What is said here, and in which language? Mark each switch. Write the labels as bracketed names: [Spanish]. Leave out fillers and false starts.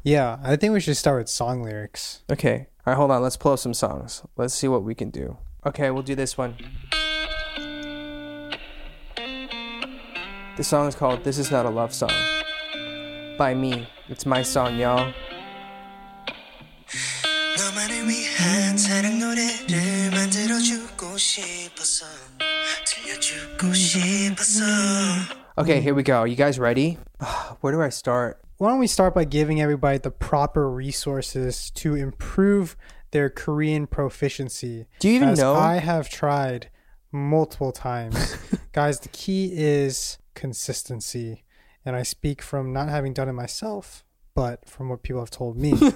[English] Yeah, I think we should start with song lyrics. Okay. All right, hold on. Let's pull up some songs. Let's see what we can do. Okay, we'll do this one. This song is called This Is Not a Love Song by me. It's my song, y'all. [Korean] 난 사랑 노래를 만들어주고 싶어서 들려주고 싶어서. [English] Okay, here we go. Are you guys ready? Where do I start? Why don't we start by giving everybody the proper resources to improve their Korean proficiency? Do you even know? I have tried multiple times. Guys, the key is consistency. And I speak from not having done it myself, but from what people have told me.